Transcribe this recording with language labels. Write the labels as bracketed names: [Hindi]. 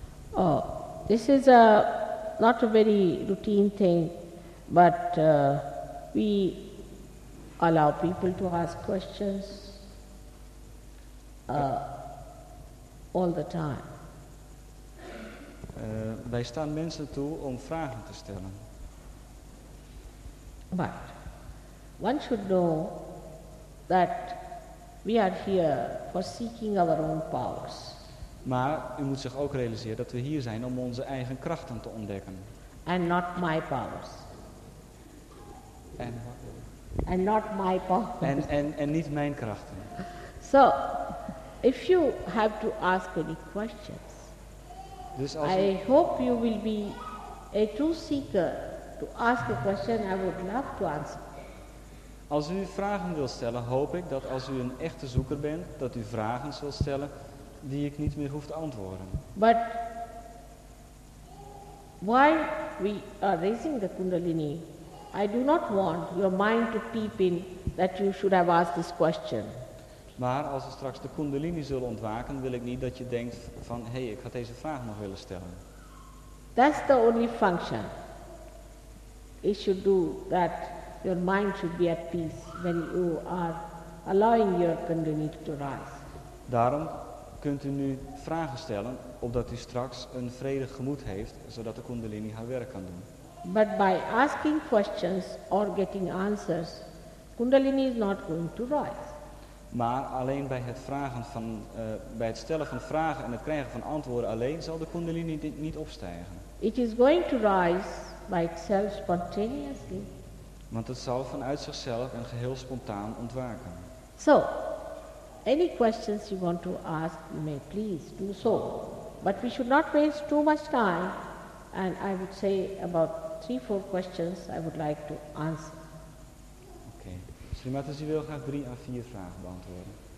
[English] Oh, this is not a very routine thing, but we allow people to ask questions all the time. [Dutch] Wij staan mensen toe om vragen te stellen. [English] But one should know that we are here for seeking our own powers. [Dutch] Maar u moet zich ook realiseren dat we hier zijn om onze eigen krachten te ontdekken. [English] And not my powers. And not my powers. [Dutch] En niet mijn krachten. [English] So, if you have to ask any questions, [Dutch] dus [English] I hope you will be a true seeker to ask a question I would love to answer. [Dutch] Als u vragen wilt stellen, hoop ik dat als u een echte zoeker bent, dat u vragen zult stellen die ik niet meer hoef te antwoorden. [English] But why we are raising the kundalini, I do not want your mind to peep in that you should have asked this question. [Dutch] Maar als we straks de kundalini zullen ontwaken, wil ik niet dat je denkt van hey, ik had deze vraag nog willen stellen. [English] That's the only function. It should do that. Your mind should be at peace when you are allowing your kundalini to rise. [Dutch] Daarom kunt u nu vragen stellen, opdat u straks een vredig gemoed heeft, zodat de kundalini haar werk kan doen. [English] But by asking questions or getting answers, kundalini is not going to rise. [Dutch] Maar alleen bij het vragen van, bij het stellen van vragen en het krijgen van antwoorden alleen zal de kundalini niet opstijgen. [English] It is going to rise by itself spontaneously. [Dutch] Want het zal vanuit zichzelf en geheel spontaan ontwaken. [English] So, any questions you want to ask, you may please do so. But we should not waste too much time. And I would say about 3-4 questions I would like to answer. [Dutch] Okay. Shri Mataji wil graag 3 à 4 vragen beantwoorden.